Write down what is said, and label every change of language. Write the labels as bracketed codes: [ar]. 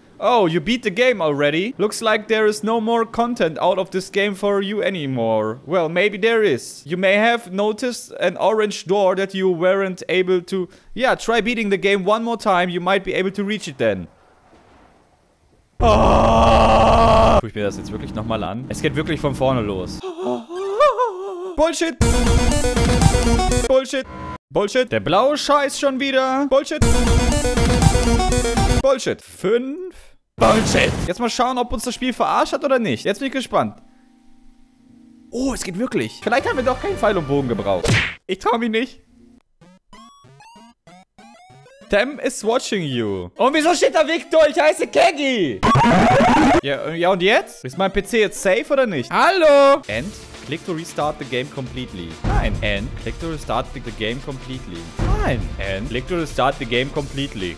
[en] Oh, you beat the game already? Looks like there is no more content out of this game for you anymore. Well, maybe there is. You may have noticed an orange door that you weren't able to... Yeah, try beating the game one more time. You might be able to reach it then. Ah! [de] Guck ich mir das jetzt wirklich nochmal an. Es geht wirklich von vorne los. Bullshit! Bullshit! Bullshit! Der blaue Scheiß schon wieder! Bullshit! Bullshit! 5? Bullshit! Jetzt mal schauen, ob uns das Spiel verarscht hat oder nicht. Jetzt bin ich gespannt. Oh, es geht wirklich. Vielleicht haben wir doch keinen Pfeil und Bogen gebraucht. Ich trau mich nicht. [en] Tem is watching you. [de] Und wieso steht da Victor? Ich heiße Keggy! Ja, und jetzt? Ist mein PC jetzt safe oder nicht? Hallo! End? [en] Click to restart the game completely. [de] Nein. [en] And click to restart the game completely. Nein. And click to restart the game completely.